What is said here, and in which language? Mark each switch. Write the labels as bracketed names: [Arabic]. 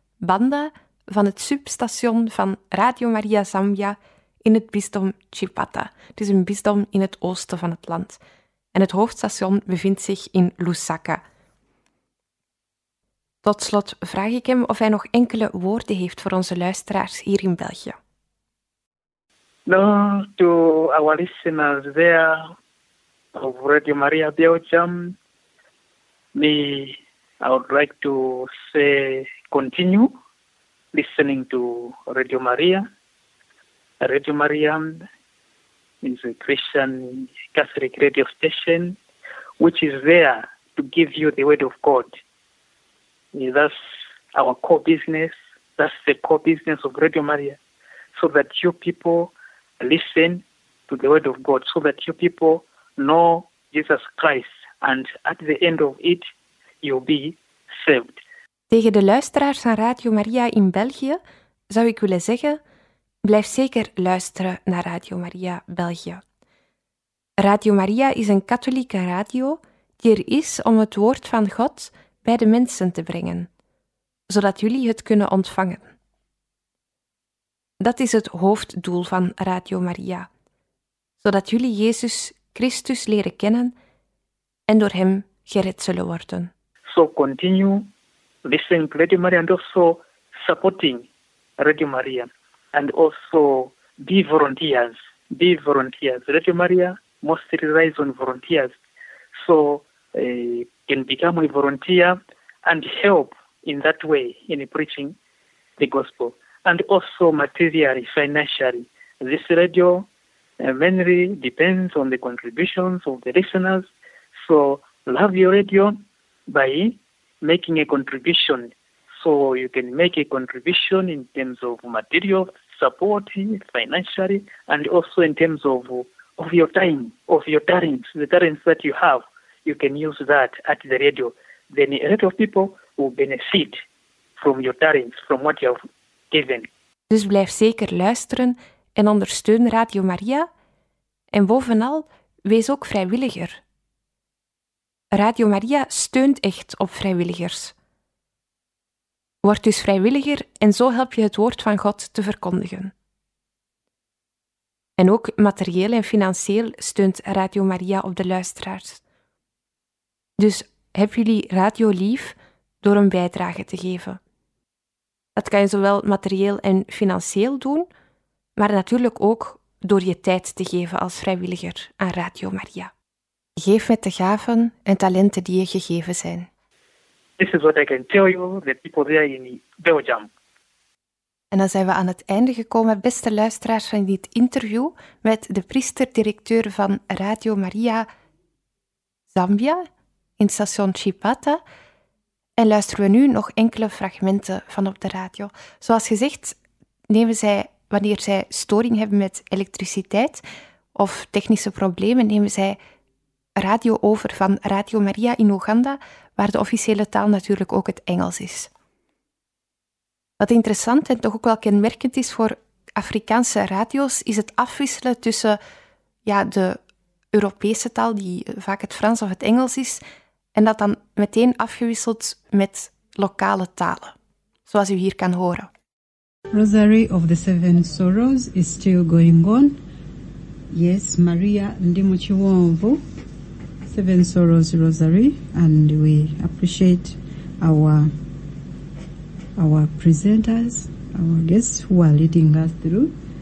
[Dutch] Banda van het substation van Radio Maria Zambia in het bisdom Chipata. Het is een bisdom in het oosten van het land. En het hoofdstation bevindt zich in Lusaka. Tot slot vraag ik hem of hij nog enkele woorden heeft voor onze luisteraars hier in België. [English] No, to our listeners there of Radio Maria Belgium, me, I would like to say continue listening to Radio Maria. Radio Maria is a Christian Catholic radio station which is there to give you the word of God. That's our core business. That's the core business of Radio Maria, so that you people listen to the word of God, so that you people know Jesus Christ, and at the end of it, you'll be saved. [Dutch] Tegen de luisteraars van Radio Maria in België zou ik willen zeggen, blijf zeker luisteren naar Radio Maria België. Radio Maria is een katholieke radio die er is om het woord van God bij de mensen te brengen, zodat jullie het kunnen ontvangen. Dat is het hoofddoel van Radio Maria, zodat jullie Jezus Christus leren kennen en door hem gered zullen worden. [English] So continue listening to Radio Maria and also supporting Radio Maria and also be volunteers. Radio Maria mostly relies on volunteers, so can become a volunteer and help in that way in preaching the gospel. And also materially, financially. This radio mainly depends on the contributions of the listeners. So love your radio by making a contribution. So you can make a contribution in terms of material support, financially, and also in terms of your time, of your talents, the talents that you have. You can use that at the radio. Then a lot of people will benefit from your talents, from what you have given. [Dutch] Dus blijf zeker luisteren en ondersteun Radio Maria. En bovenal, wees ook vrijwilliger. Radio Maria steunt echt op vrijwilligers. Word dus vrijwilliger en zo help je het woord van God te verkondigen. En ook materieel en financieel steunt Radio Maria op de luisteraars. Dus heb jullie radio lief door een bijdrage te geven. Dat kan je zowel materieel en financieel doen, maar natuurlijk ook door je tijd te geven als vrijwilliger aan Radio Maria. Geef met de gaven en talenten die je gegeven zijn. [English] This is what I can tell you, the people there in Belgium. [Dutch] En dan zijn we aan het einde gekomen, beste luisteraars van dit interview, met de priester-directeur van Radio Maria Zambia, in station Chipata. En luisteren we nu nog enkele fragmenten van op de radio. Zoals gezegd nemen zij, wanneer zij storing hebben met elektriciteit of technische problemen, nemen zij radio over van Radio Maria in Oeganda, waar de officiële taal natuurlijk ook het Engels is. Wat interessant en toch ook wel kenmerkend is voor Afrikaanse radio's, is het afwisselen tussen de Europese taal, die vaak het Frans of het Engels is, en dat dan meteen afgewisseld met lokale talen, zoals u hier kan horen. [English] Rosary of the Seven Sorrows is still going on. Yes, Maria Ndimuchiwonvu, Seven Sorrows Rosary, and we appreciate our presenters, our guests who are leading us through.